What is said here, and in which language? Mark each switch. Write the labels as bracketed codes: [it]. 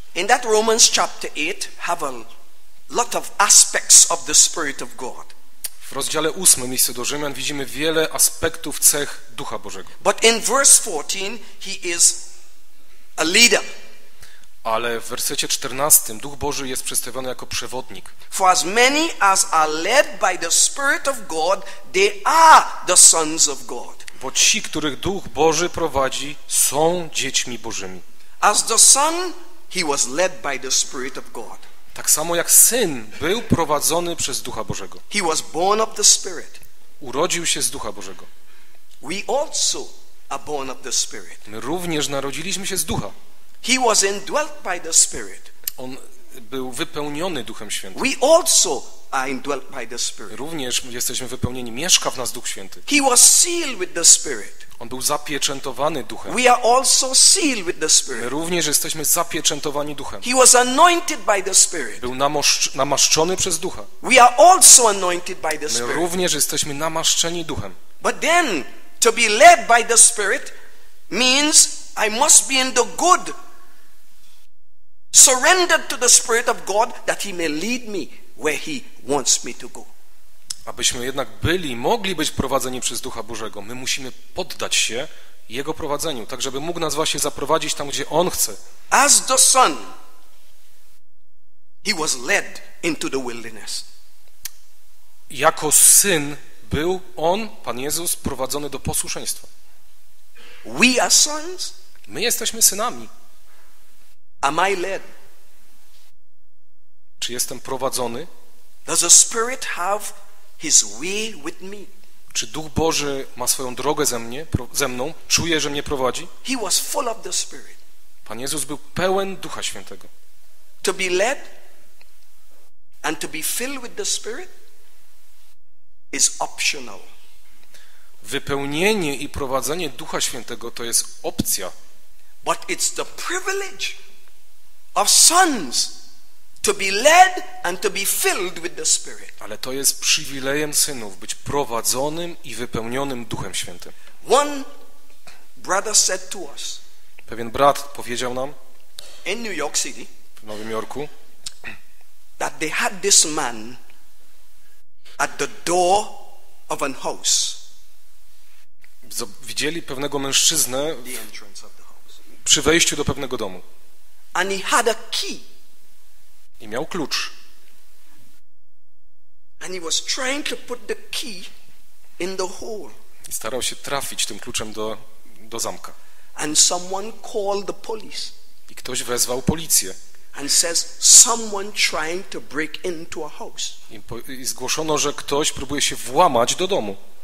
[en] In that Romans chapter 8 have a lot of aspects of the Spirit of God. [pl] W rozdziale 8 listu do Rzymian widzimy wiele aspektów cech Ducha Bożego. [en] But in verse 14 he is a leader. [pl] Ale w wersecie 14 Duch Boży jest przedstawiony jako przewodnik. [en] For as many as are led by the Spirit of God, they are the sons of God. [pl] Bo ci, których Duch Boży prowadzi, są dziećmi Bożymi. [en] As the son, he was led by the Spirit of God. [pl] Tak samo jak syn był prowadzony przez Ducha Bożego. [en] He was born of the Spirit. [pl] Urodził się z Ducha Bożego. [en] We also are born of the Spirit. [pl] My również narodziliśmy się z Ducha. [en] He was indwelt by the Spirit. [pl] On był wypełniony Duchem Świętym. [en] We also are indwelt by the Spirit. [pl] Również jesteśmy wypełnieni, mieszka w nas Duch Święty. [en] He was sealed with the Spirit. [pl] On był zapieczętowany Duchem. [en] We are also sealed with the Spirit. [pl] My również jesteśmy zapieczętowani Duchem. [en] He was anointed by the Spirit. [pl] Był namaszczony przez Ducha. [en] We are also anointed by the Spirit. [pl] My również jesteśmy namaszczeni Duchem. [en] But then to be led by the Spirit means I must be in the good, surrendered to the Spirit of God that he may lead me where he wants me to go. [pl] Abyśmy jednak byli, mogli być prowadzeni przez Ducha Bożego, my musimy poddać się Jego prowadzeniu, tak żeby mógł nas właśnie zaprowadzić tam, gdzie On chce. [en] As the Son, he was led into the wilderness. [pl] Jako Syn był On, Pan Jezus, prowadzony do posłuszeństwa. [en] We are sons. [pl] My jesteśmy synami. [en] Am I led? [pl] Czy jestem prowadzony? [en] Does the Spirit have His way with me? [pl] Czy Duch Boży ma swoją drogę ze mną? Czuję, że mnie prowadzi? [en] He was full of the Spirit. [pl] Pan Jezus był pełen Ducha Świętego. [en] To be led and to be filled with the Spirit is optional. [pl] Wypełnienie i prowadzenie Ducha Świętego to jest opcja. [en] But it's the privilege of sons to be led and to be filled with the Spirit. [pl] Ale to jest przywilejem synów, być prowadzonym i wypełnionym Duchem Świętym. [en] One brother said to us. [pl] Pewien brat powiedział nam. [en] In New York City. [pl] W Nowym Jorku. [en] That they had this man at the door of an house. [pl] Widzieli pewnego mężczyznę przy wejściu do pewnego domu. [en] And he had a key. [pl] I miał klucz. [en] And he was trying to put the key in the hole. [pl] I starał się trafić tym kluczem do zamka. [en] And someone called the police. [pl] I ktoś wezwał policję. [en] And says someone trying to break into a house. [pl] I zgłoszono, że ktoś próbuje się włamać do domu.